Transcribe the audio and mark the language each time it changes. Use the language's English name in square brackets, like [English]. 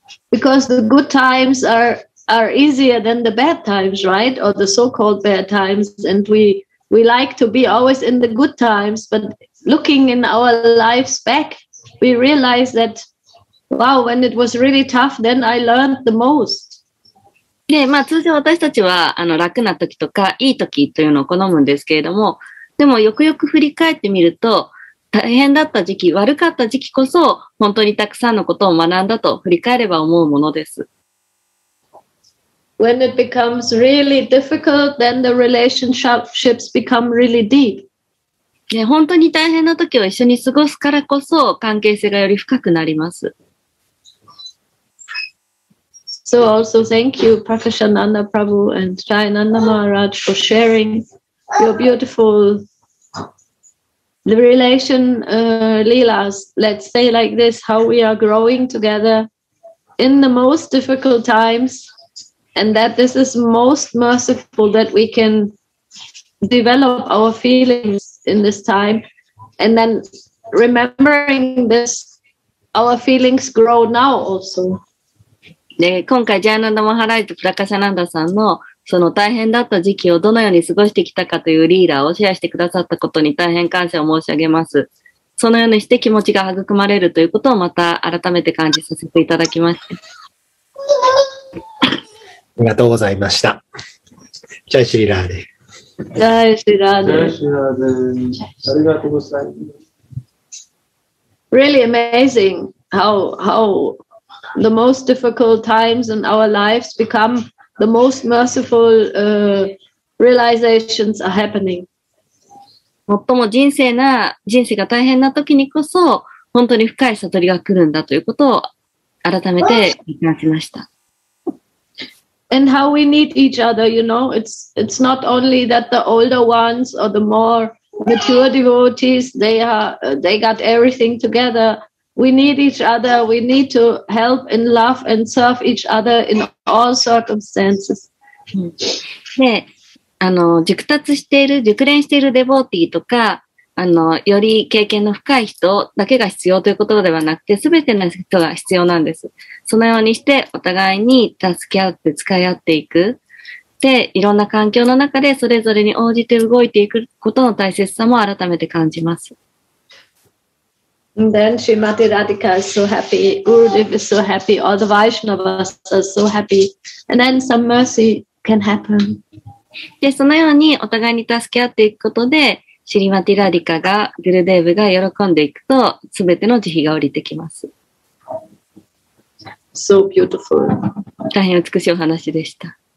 [English] Because the good times are easier than the bad times, right? Or the so-called bad times. And we like to be always in the good times, but looking in our lives back,We realize that, wow, when it was really tough, then I learned the most. [Japanese] で、まあ通常私たちは楽な時とかいい時というのを好むんですけれども、でもよくよく振り返ってみると、大変だった時期、悪かった時期こそ本当にたくさんのことを学んだと振り返れば思うものです。 [English] When it becomes really difficult, then the relationships become really deep. [Japanese] ね、本当に大変な時を一緒に過ごすからこそ関係性がより深くなります。 [English] So also thank you, Prakashananda Prabhu and Jayananda Maharaj for sharing your beautiful relation, Leelas. Let's say like this, how we are growing together in the most difficult times and that this is most merciful that we can develop our feelings. In this time, and then remembering this, our feelings grow now also. [Japanese] で、今回ジャーナンダマハライとプラカシャナンダさんのその大変だった時期をどのように過ごしてきたかというリーダーをシェアしてくださったことに大変感謝を申し上げます。そのようにして気持ちが育まれるということをまた改めて感じさせていただきました。ありがとうございました。ジャイシーラーデ。ジャイシーラーデ。ジャイシーラーデ。ありがとうございます。 [English] Really amazing how the most difficult times in our lives become the most merciful realizations are happening. [Japanese] 最も人生が大変な時にこそ、本当に深い悟りが来るんだということを改めて感じました。 [English] And how we need each other, you know, it's not only that the older ones or the more mature devotees, they got everything together. We need each other, we need to help and love and serve each other in all circumstances. [Japanese] ね熟達している、熟練しているデボーティーとか、より経験の深い人だけが必要ということではなくて、すべての人が必要なんです。そのようにして、お互いに助け合って、使い合っていく。で、いろんな環境の中で、それぞれに応じて動いていくことの大切さも改めて感じます。 [English] And then Srimati Radhika is so happy, Gurudev is so happy, all the Vaishnavas are so happy, and then some mercy can happen. [Japanese] でそのようにお互いに助け合っていくことでシリマティラリカがグルデーブが喜んでいくとすべての慈悲が降りてきます。 [English] So beautiful. [Japanese] 大変美しいお話でした。